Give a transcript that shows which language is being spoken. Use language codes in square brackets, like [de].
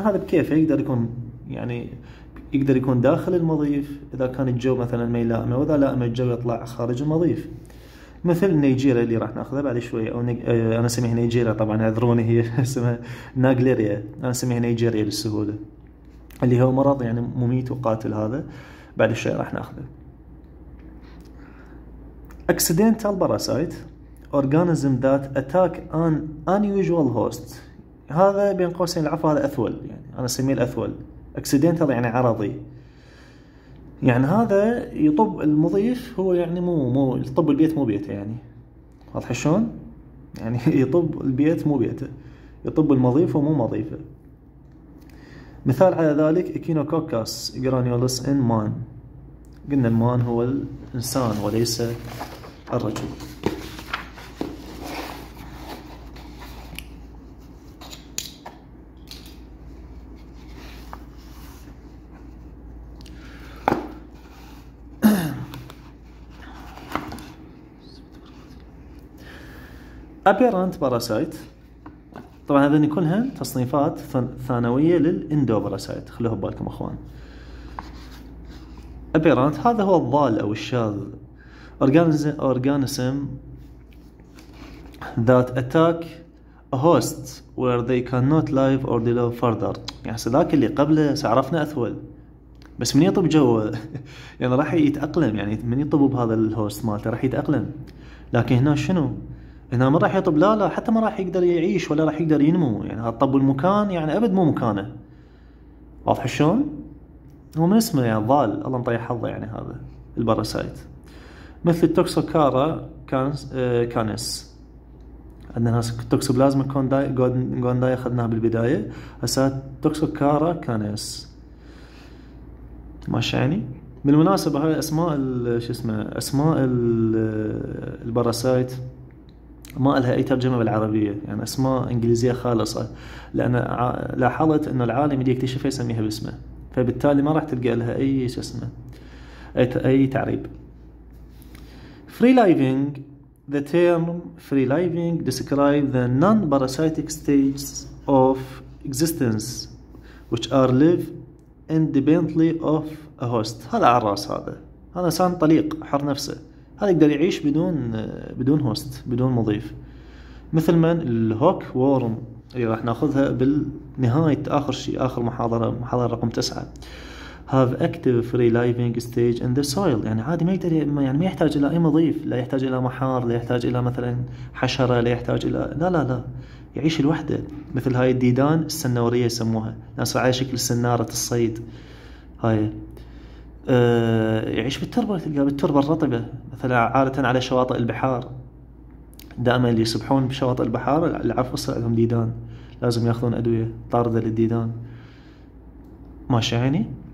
[ar] يعني هذا بكيف يقدر يكون، يعني يقدر يكون داخل المضيف إذا كان الجو مثلاً ما يلائمه، وإذا لائمه الجو يطلع خارج المضيف مثل نيجيرا اللي راح نأخذها بعد شوية. أو أنا أسميها نيجيرا طبعاً، أعذروني، هي اسمها ناجليريا، أنا أسميها نيجيريا للسهولة، اللي هو مرض يعني مميت وقاتل. هذا بعد شوية راح نأخذه. [en] Accidental parasite organism that attack an unusual host. [ar] هذا بين قوسين العفو، هذا أثول، يعني أنا أسميه الأثول. accidental يعني عرضي، يعني هذا يطب المضيف، هو يعني مو يطب البيت مو بيته، يعني واضح شلون، يعني يطب البيت مو بيته، يطب المضيف ومو مضيفه. مثال على ذلك [en] echinococcus granulus in man. [ar] قلنا المان هو الانسان وليس الرجل. [en] Apparent parasite. [ar] طبعا هذين كلها تصنيفات ثانوية للإندوباراسايت، خلوها ببالكم أخوان. Apparent هذا هو الضال أو الشاذ. [en] Organism that attack a host where they cannot live or develop further. [ar] يعني ذاك اللي قبله سعرفنا أثول، بس من يطب جوه يعني راح يتأقلم، يعني من يطب بهذا الهوست مالته راح يتأقلم، لكن هنا شنو؟ هنا ما راح يطب، لا حتى ما راح يقدر يعيش ولا راح يقدر ينمو، يعني هالطب المكان يعني ابد مو مكانه، واضح شلون؟ هو من اسمه يعني ضال، الله مطيح حظه يعني هذا الباراسايت. مثل التوكسوكارا كانس عندنا توكسوبلازما كونداي، اخذناها بالبدايه، هسه توكسوكارا كانس. ماشي يعني. بالمناسبة هاي أسماء ال شو اسمه أسماء الباراسايت ما لها أي ترجمة بالعربية، يعني أسماء إنجليزية خالصة، لأن لاحظت إنه العالم اللي يكتشفها يسميها باسمه، فبالتالي ما راح تلقى لها أي شو اسمه أي تعريب. [en] Free living, the term free living describes the non-parasitic stages of existence which are live independently of a host. [ar] هذا على الرأس، هذا إنسان طليق حر نفسه، هذا يقدر يعيش بدون هوست، بدون مضيف، مثل من الهوك وورم اللي راح ناخذها بالنهاية، آخر شيء، آخر محاضرة، محاضرة رقم 9. [en] Have active free living stage in the soil. [ar] يعني عادي ما يقدر، يعني ما يحتاج إلى أي مضيف، لا يحتاج إلى محار، لا يحتاج إلى مثلا حشرة، لا يحتاج إلى، لا لا لا، يعيش لوحده، مثل هاي الديدان السنورية يسموها، ناس على شكل سنارة الصيد هاي، يعيش بالتربة، تلقاه بالتربة الرطبة مثلا عادة على شواطئ البحار، دائما اللي يسبحون بشواطئ البحار العفو صار لهم ديدان، لازم ياخذون أدوية طاردة للديدان، ماشي يعني.